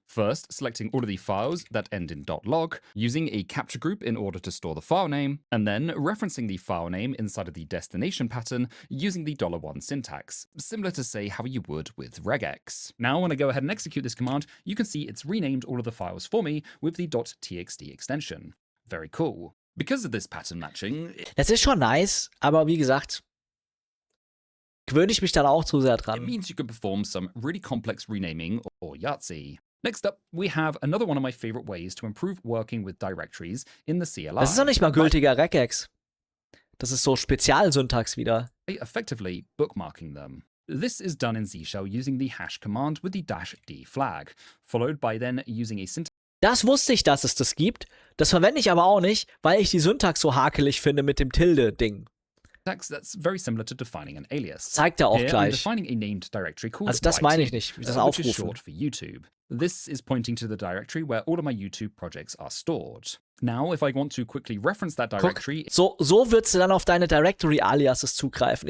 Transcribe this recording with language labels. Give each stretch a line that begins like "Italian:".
English: First selecting all of the files that end in .log, using a capture group in order to store the file name, and then referencing the file name inside of the destination pattern using the $1 syntax, similar to say how you would with regex. Now when I go ahead and execute this command, you can see it's renamed all of the files for me with the .txt extension. Very cool. Because of this pattern matching...
German: Das ist schon nice, aber wie gesagt, gewöhne ich mich dann auch zu sehr dran.
English: It means you can perform some really complex renaming or Yahtzee. Next up, we have another one of my favorite ways to improve working with directories in the CLI.
German: Das ist doch nicht mal gültiger Regex. Das ist so Spezialsyntax wieder.
English: Effectively bookmarking them. This is done in Z-Shell using the hash command with the dash D flag, followed by then using a syntax...
German: Das wusste ich, dass es das gibt. Das verwende ich aber auch nicht, weil ich die Syntax so hakelig finde mit dem Tilde-Ding.
English: That's very similar to defining an alias.
German: Zeigt er auch gleich.
English: Defining a named directory called
German: also das
English: YT,
German: meine ich nicht, das Aufrufen.
English: Which is short for YouTube. This is pointing to the directory where all of my YouTube projects are stored. Now, if I want to quickly reference that directory...
German: Guck, so würdest du dann auf deine Directory-Aliases zugreifen.